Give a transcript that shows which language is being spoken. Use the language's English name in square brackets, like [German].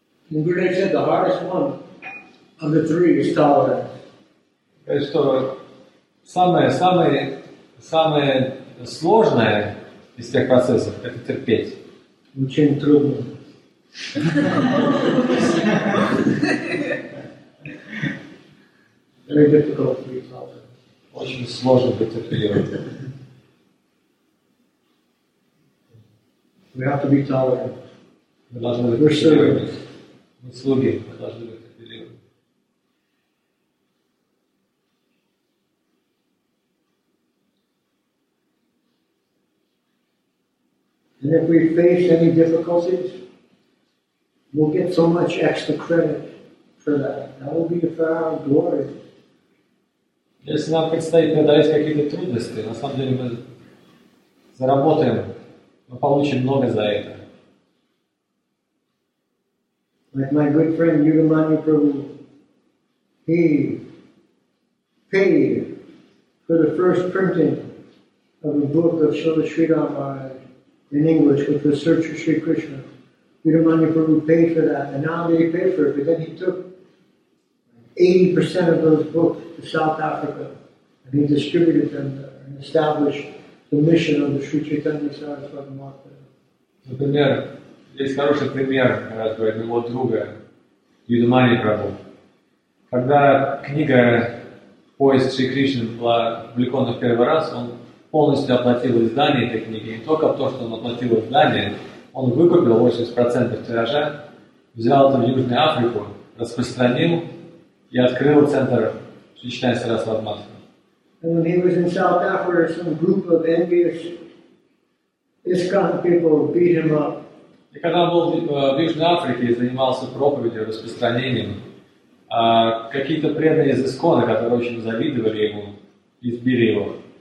[English] Гуру Дев said the hardest one of the three is tolerance. [Russian] То есть самое сложное из тех процессов – это терпеть. Очень трудно. [English] Very difficult to be tolerant. [Russian] Очень сложно быть терпеливым. [English] We have to be tolerant. [Russian] Мы должны быть терпеливыми. Мы слуги, мы должны быть терпеливыми. [English] And if we face any difficulties, we'll get so much extra credit for that. That will be for our glory. [Russian] Если нам предстоит преодолеть какие-то трудности, на самом деле мы заработаем, мы получим много за это. [English] Like my good friend Yugamanya Prabhu, he paid for the first printing of a book of Srila Sridhar Maharaj in English, which was Search for Sri Krishna. Yugamanya Prabhu paid for that, and not only did he pay for it, but then he took 80% of those books to South Africa, and he distributed them there and established the mission of the Sri Chaitanya Saraswati Mata. [Russian] Есть хороший пример, раз говорит, моего друга Юдамани Прабху. Когда книга «Поиск Шри Кришны» была опубликована в первый раз, он полностью оплатил издание этой книги. Не только то, что он оплатил издание, он выкупил 80% тиража, взял это в Южную Африку, распространил и открыл центр Шри Чайтанья Сарасвати Матха. [English] And when he was in South Africa, some group of envious ISKCON people beat him up. [Russian] И когда он был в Южной Африке и занимался проповедью, распространением, какие-то преданные из ИСКОНа, которые очень завидовали ему, избили его.